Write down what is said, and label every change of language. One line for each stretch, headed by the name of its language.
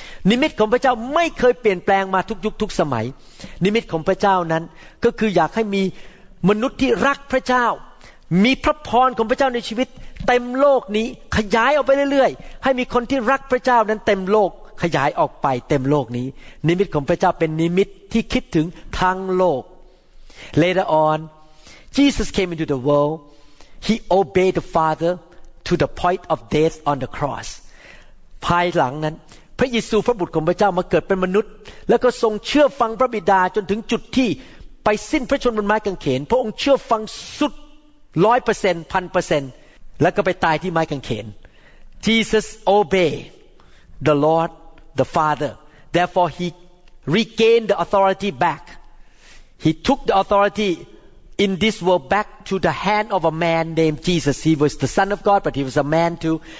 Thai: นิมิตของพระเจ้าไม่เคยเปลี่ยนแปลงมาทุกยุคทุกสมัยนิมิตของพระเจ้านั้นก็คืออยากให้มีมนุษย์ที่รักพระเจ้ามีพระพรของพระเจ้าในชีวิตเต็มโลกนี้ขยายออกไปเรื่อยๆให้มีคนที่รักพระเจ้านั้นเต็มโลกขยายออกไปเต็มโลกนี้นิมิตของพระเจ้าเป็นนิมิตที่คิดถึงทั้งโลก
English: Later on, Jesus came into the world. He obeyed the Father. To the point of death on the cross.
Thai: ภายหลังนั้นพระเยซูพระบุตรของพระเจ้ามาเกิดเป็นมนุษย์แล้วก็ทรงเชื่อฟังพระบิดาจนถึงจุดที่ไปสิ้นพระชนม์บนไม้กางเขนพระองค์เชื่อฟังสุด 100% 1,000% แล้วก็ไปตายที่ไม้กางเขน
English: Jesus obeyed the Lord, the Father. Therefore he regained the authority back. He took the authorityIn this world back to the hand of a man named Jesus. He was the Son of God, but he was a man too.